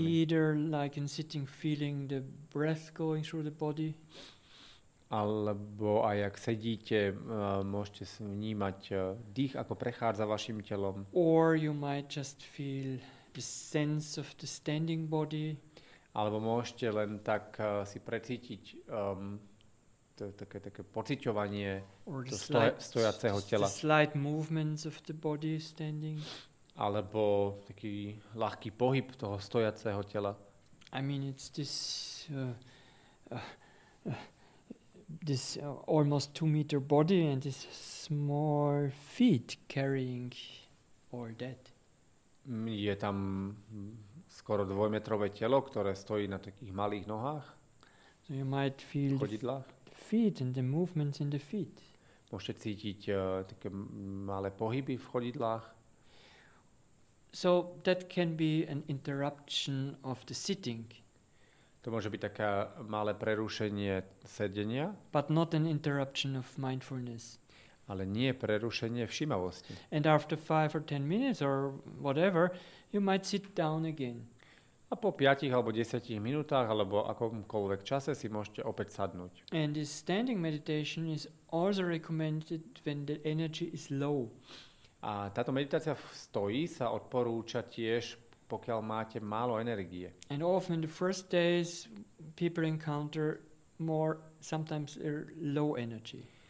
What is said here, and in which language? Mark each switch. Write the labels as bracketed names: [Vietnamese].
[English] Either like in sitting feeling the breath going through the body. [Slovak] Alebo aj ak sedíte, môžete vnímať dých, ako prechádza vašim telom. [English] Or you might just feel the sense of the standing body. [Slovak] Alebo môžete len tak si precítiť také pociťovanie stojaceho tela. [English] The slight movements of the body standing. [Slovak] Alebo taký ľahký pohyb toho stojaceho tela. [English] I mean it's this this almost 2-meter body and this small feet carrying all that. [Slovak] Je tam skoro 2-metrové telo, ktoré stojí na takých malých nohách. [English] So you might feel [Slovak] chodidlách. [English] The feet and the movements in the feet. [Slovak] Môžete cítiť také malé pohyby v chodidlách. [English] So that can be an interruption of the sitting. [Slovak] To môže byť také malé prerušenie sedenia. [English] But not an interruption of mindfulness. [Slovak] Ale nie prerušenie všímavosti. [English] And after 5 or 10 minutes or whatever, you might sit down again. [Slovak] A po 5 alebo 10 minútach alebo akomkoľvek čase si môžete opäť sadnúť. [English] And this standing meditation is also recommended when the energy is low. [Slovak] A táto meditácia v stoji sa odporúča tiež, pokiaľ máte málo energie. [English] And often the first days people encounter more sometimes low energy.